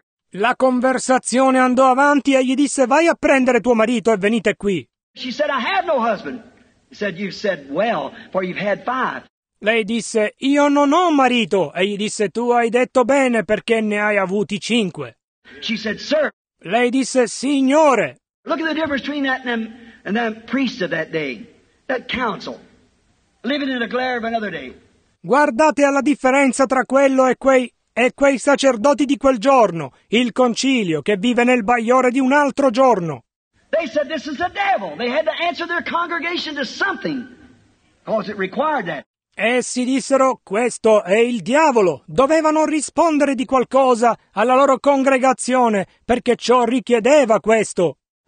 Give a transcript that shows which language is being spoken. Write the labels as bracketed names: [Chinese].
[Italian] La conversazione andò avanti e gli disse, vai a prendere tuo marito e venite qui. [English] She said, I have no husband. He said, you've said well, for you've had five. [Italian] Lei disse, io non ho marito. E gli disse, tu hai detto bene perché ne hai avuti cinque. [English] She said, sir. [Italian] Lei disse, signore. [English] Look at the difference between that and that priest of that day. That council. Living in the glare of another day. [Italian] Guardate alla differenza tra quello e quei sacerdoti di quel giorno. Il concilio che vive nel bagliore di un altro giorno. [English] They said, this is the devil. They had to answer their congregation to something. Because it required that. [Italian] Essi dissero, questo è il diavolo, dovevano rispondere di qualcosa alla loro congregazione, perché ciò richiedeva questo.